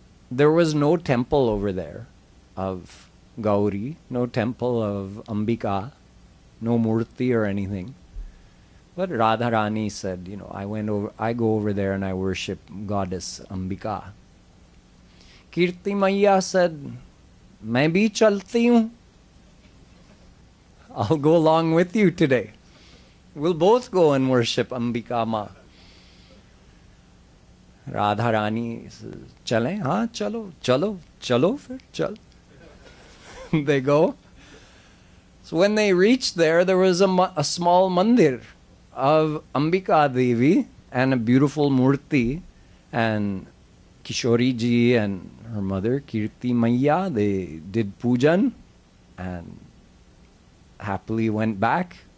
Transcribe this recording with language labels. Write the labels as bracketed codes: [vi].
[en] There was no temple over there of Gauri, no temple of Ambika, no murti or anything. But Radharani said, you know, I go over there and I worship goddess Ambika. Kirti Maya said, [hi] मैं भी चलती हूँ। [en] I'll go along with you today. We'll both go and worship Ambika Ma. Radha Rani says, [hi] चले, हाँ, चलो, चलो, चलो, फिर, चल। [en] They go. So when they reached there, there was a small mandir of Ambika Devi and a beautiful murti, and Kishori ji and her mother, Kirti Maya, they did pujan and happily went back.